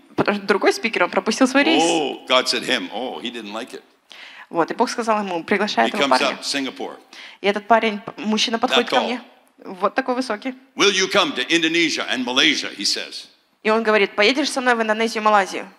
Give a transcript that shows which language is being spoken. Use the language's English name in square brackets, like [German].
[Russian] Потому что другой спикер, он пропустил свой рейс. [English] Oh, God said him. Oh, he didn't like it. [Russian] Вот, и Бог сказал ему, приглашай этого парня. [English] He comes up, Singapore. [Russian] И этот парень, мужчина, подходит ко мне. Вот такой высокий. [English] Will you come to Indonesia and Malaysia, he says. [Russian] И он говорит, поедешь со мной в Индонезию и Малайзию?